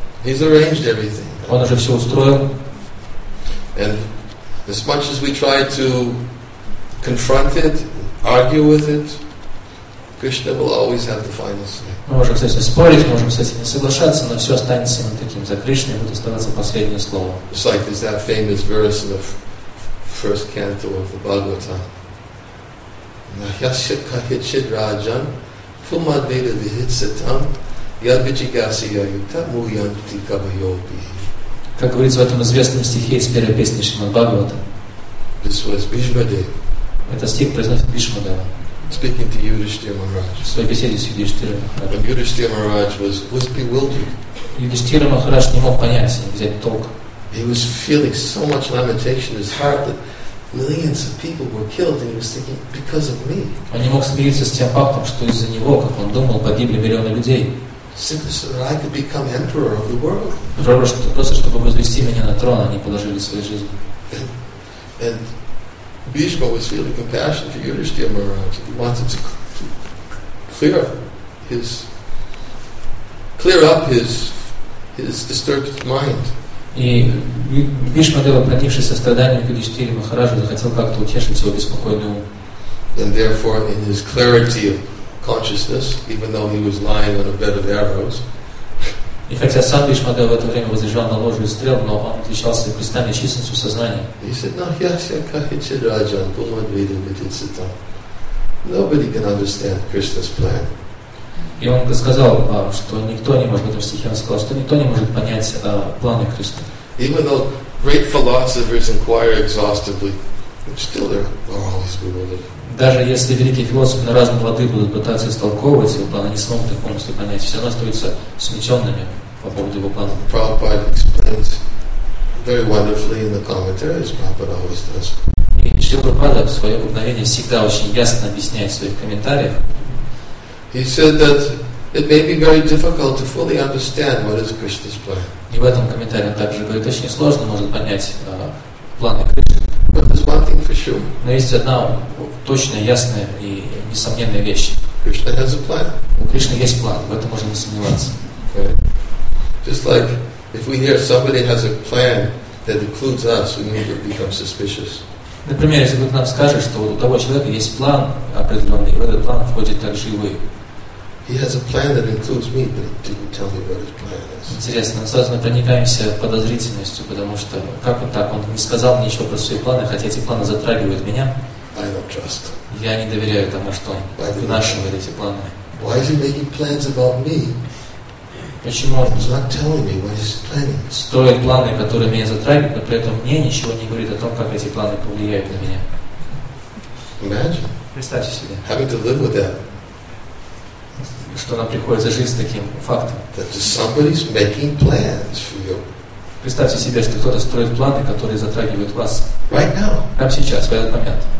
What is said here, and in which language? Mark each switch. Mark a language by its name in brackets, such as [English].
[English] He's arranged everything. [Russian] Он уже все устроил. [English] And as much as we try to confront it, argue with it, Krishna will always have the final say. [Russian] Мы можем с этим спорить, можем с этим не соглашаться, но все останется именно таким. За Кришной будет оставаться последнее слово. [English] It's like there's that famous verse in the first canto of the Bhagavatam. [Sanskrit] Nahyasya kahichid rajan pumadvita vihitsatam yadvijigasya yutam uyanti kabayopi. [Russian] Как говорится в этом известном стихе из первой песни Шримад Бхагавата. [English] This was Bhishma Dev. [Russian] Это стих произносит Бхишма Дева. [English] Speaking to Yudhishthira Maharaj. [Russian] В своей беседе с Юдиштхиром Махараджем. [English] And Yudhishthira Maharaj was bewildered. [Russian] Юдиштхира Махарадж не мог понять, взять толк. [English] He was feeling so much lamentation in his heart that millions of people were killed, and he was thinking, because of me. [Russian] Он не мог смириться с тем фактом, что из-за него, как он думал, погибли миллионы людей. [English] Simply so that I could become emperor of the world. [Russian] Просто чтобы возвести меня на трон, они положили свои жизни. [English] And Bhishma was feeling compassion for Yudhishthira Maharaj. He wanted to clear up his disturbed mind. [Russian] И Бхишма Дева, пронившись состраданием к Юдхиштхире Махараджу, захотел как-то утешить его беспокойный ум. [English] And therefore, in his clarity of consciousness, even though he was lying on a bed of arrows, [Russian] и хотя сам Бхишма Дева в это время возлежал на ложе из стрел, но он отличался кристальной чистостью сознания. [English] He said, [Sanskrit] "Nahyasya kahichid rajan pumadvita vidhitsita." [English] Nobody can understand Krishna's plan. [Russian] И он сказал, что никто не может, в стихе он сказал, что никто не может понять планы Кришны. [English] Even though great philosophers inquire exhaustively, still they're always bewildered. [Russian] Даже если великие философы на разные лады будут пытаться истолковывать его планы, они не смогут их полностью понять, все равно остаются смеченными по поводу его плана. [English] Prabhupada explains very wonderfully in the commentaries, Prabhupada always does. [Russian] И Шрила Прабхупада в свое обыкновение всегда очень ясно объясняет в своих комментариях. [English] He said that it may be very difficult to fully understand what is Krishna's plan. [Russian] И в этом комментарии он также говорит, очень сложно может понять планы Кришны. [English] But there's one thing for sure. [Russian] Но есть одна точная, ясная и несомненная вещь. [English] Krishna has a plan. [Russian] У Кришны есть план, в этом можно не сомневаться. [English] Okay. Just like if we hear somebody has a plan that includes us, we may become suspicious. [Russian] Например, если кто-то нам скажет, что вот у того человека есть план определенный, и в этот план входит также и вы. [English] He has a plan that includes me, but it didn't tell me what his plan is. [Russian] Интересно, мы сразу проникаемся подозрительностью, потому что как вот так? Он не сказал мне ничего про свои планы, хотя эти планы затрагивают меня. [English] I don't trust. [Russian] Я не доверяю тому, что он вынашивает эти планы. [English] Why is he making plans about me? [Russian] Почему? [English] He's not telling me what he's planning. [Russian] Строит планы, которые меня затрагивают, но при этом мне ничего не говорит о том, как эти планы повлияют на меня. [English] Imagine. [Russian] Представьте себе. [English] Having to live with that. [Russian] Что нам приходится жить с таким фактом. [English] That somebody's making plans for you. [Russian] Представьте себе, что кто-то строит планы, которые затрагивают вас. [English] Right now. [Russian] Прямо сейчас, в этот момент.